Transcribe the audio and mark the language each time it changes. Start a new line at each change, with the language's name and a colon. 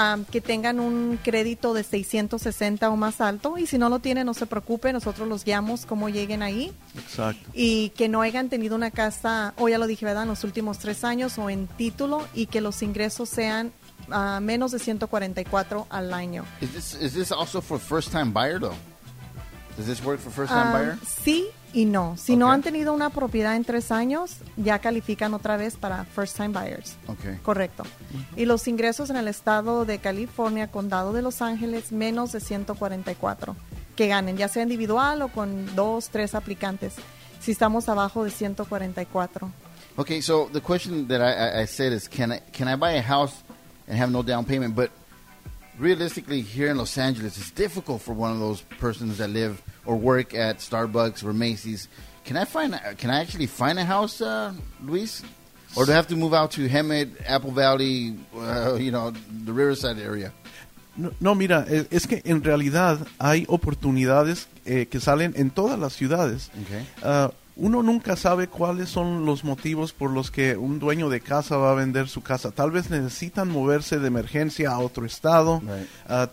Spanish: Que tengan un crédito de 660 o más alto. Y si no lo tienen, no se preocupen. Nosotros los guiamos cómo lleguen ahí. Exacto. Y que no hayan tenido una casa, o ya lo dije, ¿verdad? En los últimos 3 años o en título. Y que los ingresos sean menos de 144 al año.
English: Is this also for first time buyer, though? Does this work for first time buyer?
Spanish: Sí y no. Si okay. no han tenido una propiedad en 3 años, ya califican otra vez para first time buyers.
English: Okay.
Spanish: Correcto. Uh-huh. Y los ingresos en el estado de California, condado de Los Ángeles, menos de 144 que ganen, ya sea individual o con 2, 3 aplicantes, si estamos abajo de 144.
English: Okay, so the question that I said is, can I buy a house and have no down payment? But realistically, here in Los Angeles, it's difficult for one of those persons that live or work at Starbucks or Macy's. Can I actually find a house, Luis? Or do I have to move out to Hemet, Apple Valley, you know, the Riverside area?
Spanish: No, no, mira, es que en realidad hay oportunidades que salen en todas las ciudades.
English: Okay.
Spanish: Uno nunca sabe cuáles son los motivos por los que un dueño de casa va a vender su casa. Tal vez necesitan moverse de emergencia a otro estado.
English: Right.